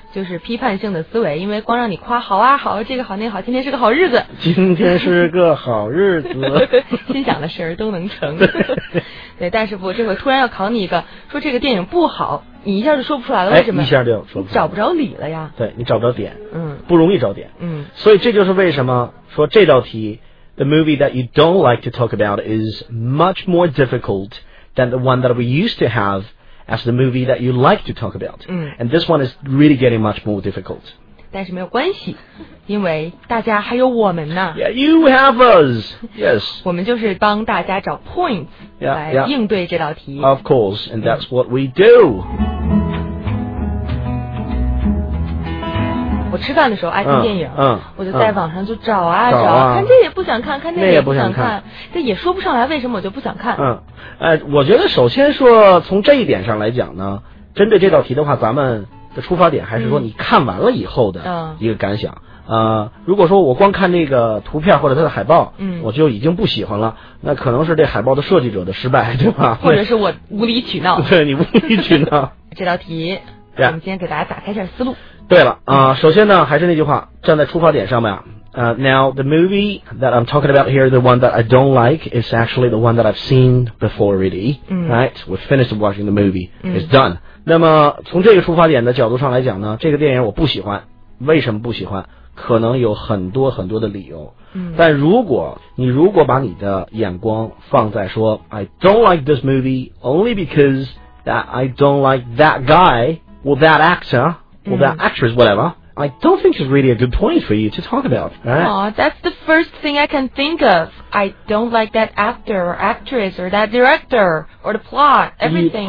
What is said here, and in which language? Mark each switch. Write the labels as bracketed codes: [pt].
[zh] 就是批判性的思维，因为光让你夸好啊好，这个好那个好，今天是个好日子，今天是个好日子，心想的事儿都能成。对, 对，但是不，这回突然要考你一个，说这个电影不好，你一下就说不出来了，为什么？一下就说不出来，找不着理了呀？对，你找不着点，嗯，不容易找点，嗯，所以这就是为什么说这道题 [en] ，the movie that you don't like to talk about is much more difficult。 Than the one that we used to have as the movie that you like to talk about. And this one is really getting much more difficult. [zh] 但是没有关系，因为大家还有我们呢。 [en] Yeah, you have us. Yes. [zh] 我们就是帮大家找 points 来应对这道题。 [en] Of course, and that's what we do. [zh] 我吃饭的时候爱看电影，我就在网上就找啊找，看这也不想看，看那也不想看，但也说不上来为什么我就不想看。我觉得首先说从这一点上来讲呢，针对这道题的话，咱们的出发点还是说你看完了以后的一个感想。如果说我光看这个图片或者它的海报，我就已经不喜欢了，那可能是这海报的设计者的失败，对吧？或者是我无理取闹。对，你无理取闹。这道题，我们今天给大家打开一下思路。对了，首先呢，还是那句话，站在出发点上面啊。 [en] Now the movie that I'm talking about here, the one that I don't like, is actually the one that I've seen before already. Right, we finished watching the movie. It's done. [zh] 那么从这个出发点的角度上来讲呢，这个电影我不喜欢，为什么不喜欢？可能有很多很多的理由。但如果把你的眼光放在说 [en] I don't like this movie only because that I don't like that guy or that actor or that actress, whatever. I don't think it's really a good point for you to talk about, right? Aw, that's the first thing I can think of. I don't like that actor or actress or that director or the plot, everything